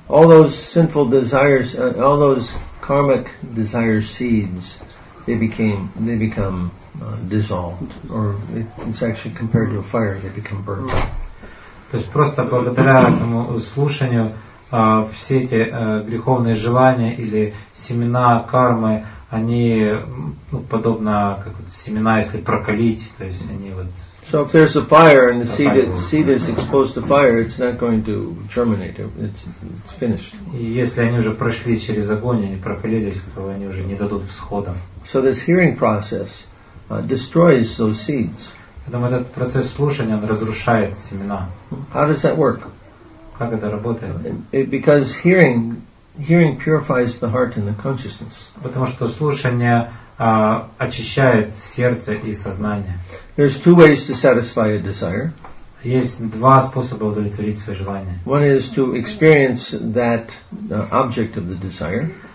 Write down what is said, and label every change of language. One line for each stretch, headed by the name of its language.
English: All those sinful desires, all those karmic desire seeds, they become dissolved, or it's actually compared to a fire, they become burnt.
Russian: То есть просто благодаря этому слушанию все эти греховные желания или семена кармы, они, ну, подобно как вот, семена, если прокалить, то есть они вот.
English: So if there's a fire and the seed is exposed to fire, it's not going to germinate. It's finished.
Russian: И если они уже прошли через огонь, они прокалились, то они уже не дадут всходов.
English: So this hearing process destroys those seeds.
Russian: Поэтому этот процесс слушания, он разрушает семена.
English: How does that work?
Russian: Как это работает?
English: Because hearing purifies the heart and the consciousness.
Russian: Потому что слушание очищает сердце и сознание.
English: There's two ways to satisfy a desire.
Russian: Есть два способа удовлетворить свои желания.
English: One is to experience that object of the desire.